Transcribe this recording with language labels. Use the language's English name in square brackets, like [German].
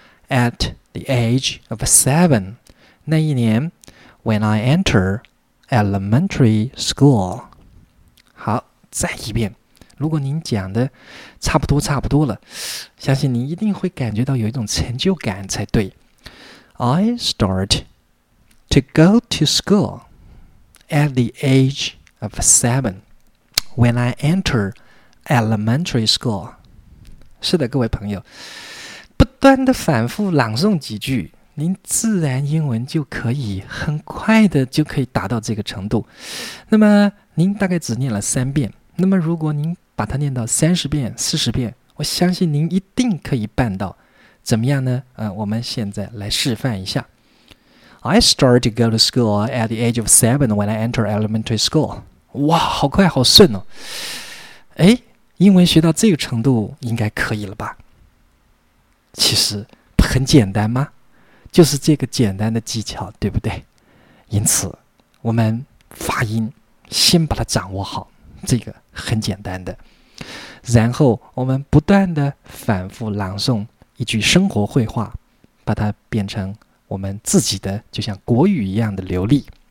[English] At the age of 7，那一年，when I enter elementary school。 [Chinese] 好，再一遍。如果您讲的差不多了，相信您一定会感觉到有一种成就感才对。 [English] I start to go to school at the age of 7 when I enter elementary school。 [Chinese] 是的，各位朋友，不断的反复朗诵几句，您自然英文就可以很快的就可以达到这个程度。那么您大概只念了三遍，那么如果您把它念到30遍、40遍，我相信您一定可以办到。怎么样呢？我们现在来示范一下。 [English] I start to go to school at the age of 7 when I enter elementary school。 [Chinese] 哇，好快好顺哦。哎，英文学到这个程度应该可以了吧。其实很简单吗？就是这个简单的技巧，对不对？因此我们发音先把它掌握好，这个很简单的，然后我们不断的反复朗诵一句生活会话，把它变成我们自己的，就像国语一样的流利。